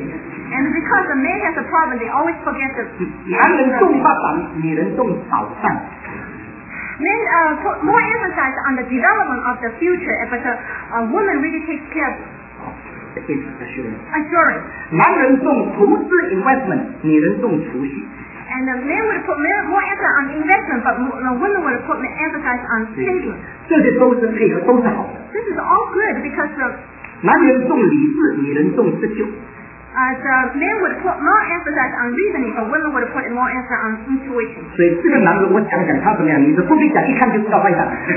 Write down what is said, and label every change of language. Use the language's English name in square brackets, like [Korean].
[English] And because the man has a problem, they always forget the. [Chinese] 男人重发展，女人重保障。 [English] Men put more emphasis on the development of the future, but the woman really takes care of it. Assurance. [Chinese] 男人重投资 investment, 女人重储蓄。 [English] And the men would put more emphasis on investment, but the women would put more emphasis on saving. [Chinese] 这些都是配合，都是好的。 [English] This is all good because the [Chinese] 男人重理智，女人重自救。 [English] The men would put more emphasis on reasoning, but women would put more emphasis on intuition. [Chinese] 所以这个男人，我讲讲他怎么样，你是不必讲，一看就知道外向。